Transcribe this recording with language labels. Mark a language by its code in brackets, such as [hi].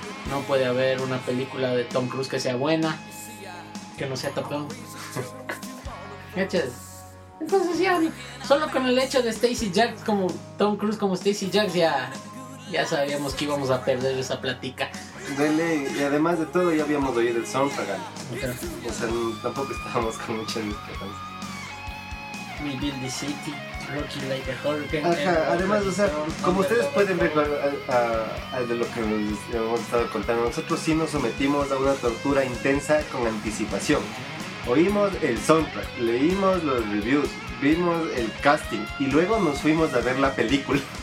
[es] No puede haber una película de Tom Cruise que sea buena. Que no sea Top Gun. Échale. Entonces ya, solo con el hecho de Stacy Jack como Tom Cruise como Stacy Jack ya sabíamos que íbamos a perder esa plática. Dele, y además de todo ya habíamos oído el soundtrack. Okay. O sea, no, tampoco estábamos con mucha discrepancia. [en] We build the city, rocking like a hurricane. [es] Ajá, además, o sea, como ustedes pueden ver de lo que nos hemos estado contando, nosotros sí nos sometimos a una tortura intensa con anticipación. Oímos el soundtrack, leímos los reviews, vimos el casting y luego nos fuimos a ver la película.